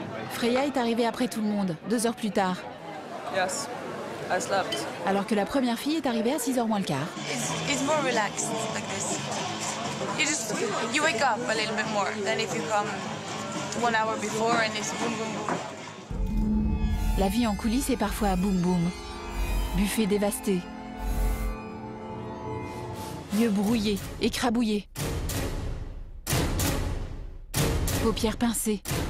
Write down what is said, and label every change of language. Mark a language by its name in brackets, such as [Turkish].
[French] Freya est arrivée après tout le monde, 2 heures plus tard. [English] Yes, I slept. [French] Alors que la première fille est arrivée à 6h moins le quart. [English] It's more relaxed like this. You wake up a little bit more than if you come 1 hour before and it's boom boom boom. [French] La vie en coulisses est parfois boom boom. Buffet dévasté. Yeux brouillés, écrabouillés. Paupières pincées.